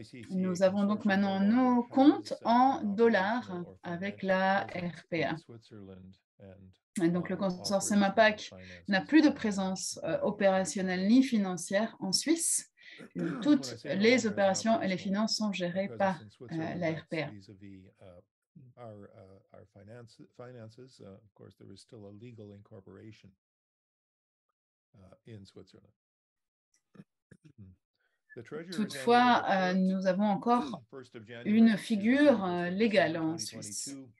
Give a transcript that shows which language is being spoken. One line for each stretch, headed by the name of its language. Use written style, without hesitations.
French: Nous avons donc maintenant nos comptes en dollars avec la RPA. Et donc, le consortium APAC n'a plus de présence opérationnelle ni financière en Suisse. Toutes les opérations et les finances sont gérées par la RPA.
English: Our finances, of course, there is still a legal incorporation in Switzerland.
French: Toutefois, nous avons encore une figure légale en Suisse.